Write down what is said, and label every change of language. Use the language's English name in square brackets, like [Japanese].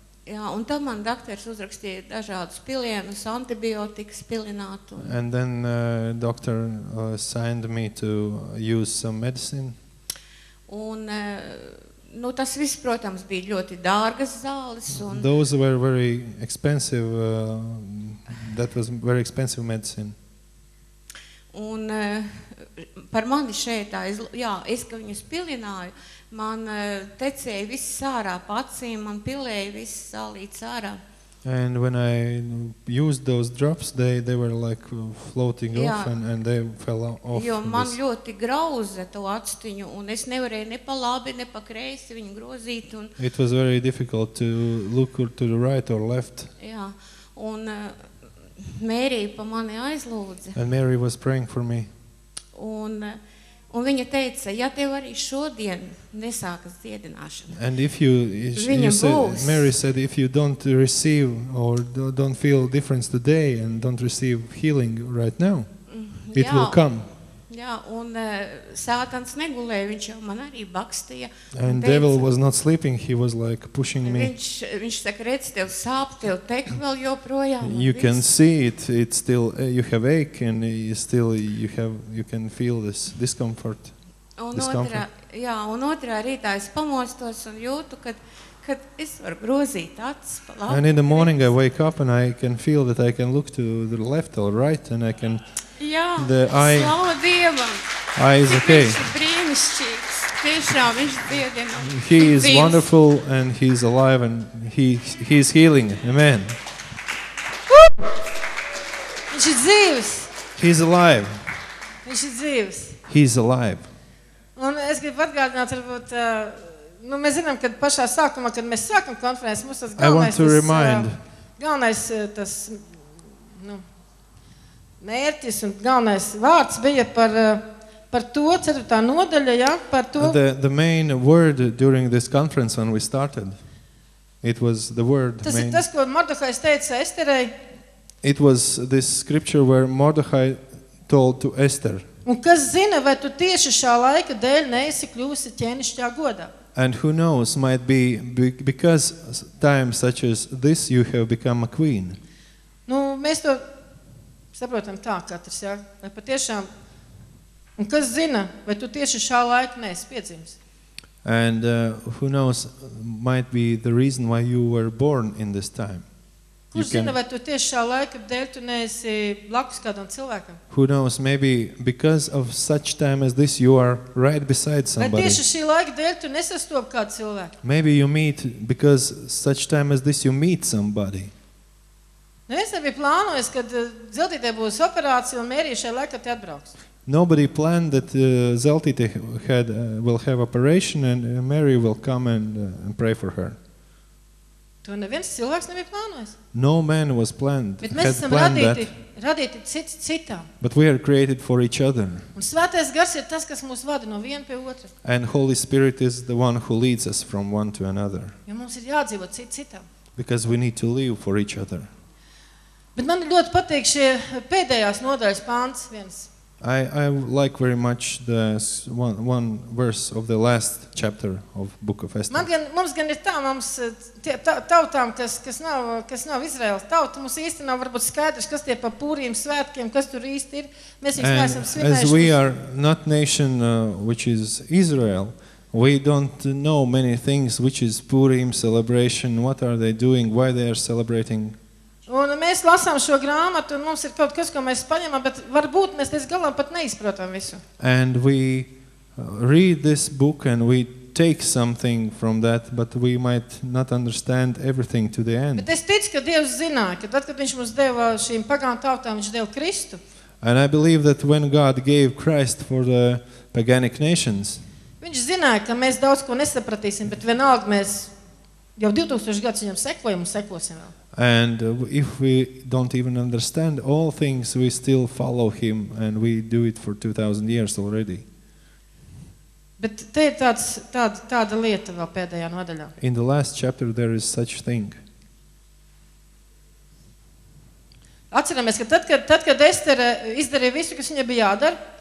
[Latvian] Jā, un tad man doktors uzrakstīja dažādus pilienus, antibiotikas pilinātu. [English] And then doctor signed me to use some medicine. [Latvian] Un nu tas viss, protams, bija ļoti dārgas zāles un [English] those were very expensive that was very expensive medicine. [Latvian] Un par mani šeit es ka viņus pilināju. Man tecēja viss ārā pa acīm, man pilēja viss sālīts ārā. [English] And when I used those drops, they were like floating [Latvian] jā. [English] Off and they fell off. [Latvian] Jo man ļoti grauza to actiņu un es nevarēju ne pa labi, ne pa kreisi viņu grozīt. Un [English] it was very difficult to look to the right or left. [Latvian] Jā, un Mary pa mani aizlūdza. [English] And Mary was praying for me. [Latvian] Un viņa teica, ja tev arī šodien nesākas dziedināšana. [English] And if you, you said, Mary said, if you don't receive or don't feel difference today and don't receive healing right now, it [Latvian] jā, [English] will come. [Latvian] Jā, un Sātans negulē, viņš jau man arī bakstīja. [English] And [Latvian] teica, [English] devil was not sleeping, he was like pushing me. [Latvian] Viņš saka, redz, tev sāp, tev tek vēl joprojām. [English] You can see it, it's still, you have ache and you still, you have, you can feel this discomfort. [Latvian] Un otrā rītā es pamostos un jūtu, kad es varu grozīt acis pa labi. [English] And in the morning I wake up and I can feel that I can look to the left or right and I can [Latvian] Jā, [English] the eye. [Latvian] Slava Dievam. [English] Eye is okay. [Latvian] Brīnišķīgs. Tiešām viņš dziedina. [English] He is wonderful and he is alive and he is healing. Amen. [Latvian] Viņš ir dzīvs. [English] He is alive. [Latvian] Viņš ir dzīvs. [English] He is alive. [Latvian] Un es gribu atgādināt, varbūt, nu mēs zinām, kad pašā sākumā, kad mēs sākam konferenci, mums tas galvenais tas, nu, mērķis un galvenais vārds bija par to, ceturtā nodaļa, ja, par to. [English] The main word during this conference when we started, it was the word [Latvian] tas [English] main. [Latvian] Tas ir tas, ko Mordehais teica Esterai. [English] It was this scripture where Mordehai told to Esther. [Latvian] Un kas zina, vai tu tieši šā laika dēļ neesi kļūsi ķēnišķā godā? [English] And who knows, might be because times such as this you have become a queen. [Latvian] Nu, mēs to saprotam tā katrs, ja? Vai patiešām, un kas zina, vai tu tieši šā laika neesi piedzimis? [English] And who knows, might be the reason why you were born in this time. [Latvian] Kurš zina, vai tu tieši šā laika dēļ tu neesi blakus kādam cilvēkam? [English] Who knows, maybe because of such time as this you are right beside somebody. [Latvian] Vai tieši šī laika dēļ tu nesastop kādu cilvēku? [English] Maybe you meet because such time as this you meet somebody. [Latvian] Nu, es nebija plānojis, kad Zeltītē būs operācija un Mērī šajā laikā te atbrauks. [English] Nobody planned that Zeltītē will have operation and Mary will come and pray for her. [Latvian] To neviens cilvēks nebija plānojis. [English] No man was planned. [Latvian] Bet mēs esam radīti cits citām. [English] But we are created for each other. [Latvian] Un Svētais Gars ir tas, kas mūs vada no viena pie otra. [English] And Holy Spirit is the one who leads us from one to another. [Latvian] Jo mums ir jādzīvot cits citām. [English] Because we need to live for each other. [Latvian] Bet man ļoti patīk šie pēdējās nodaļas pāns viens. [English] I like very much the one verse of the last chapter of Book of Esther. [Latvian] Mums gan ir tā, mums tie tautām, kas nav Izraels tauta, mums īsti nav varbūt skaidrs, kas tie pa pūriem svētkiem, kas tur īsti ir. Mēs viņus neesam svinējuši. [English] As we are not nation which is Israel, we don't know many things which is Purim celebration, what are they doing, why they are celebrating. [Latvian] Un mēs lasām šo grāmatu, un mums ir kaut kas, ko mēs paņemam, bet varbūt mēs līdz galam pat neizprotam visu. [English] And we read this book and we take something from that, but we might not understand everything to the end. [Latvian] Bet es ticu, ka Dievs zināja, ka tad, kad viņš mums deva šīm pagānu tautām, viņš deva Kristu. [English] And I believe that when God gave Christ for the paganic nations, [Latvian] viņš zināja, ka mēs daudz ko nesapratīsim, bet vienalga mēs jau 2000 gadus viņam sekojam un sekosim vēl. [English] And if we don't even understand all things, we still follow him and we do it for 2000 years already. [Latvian] Bet te ir tāda lieta vēl pēdējā nodaļā. [English] In the last chapter there is such thing. [Latvian] Atceramies, ka tad, kad Estera izdarīja visu, kas viņai bija jādara.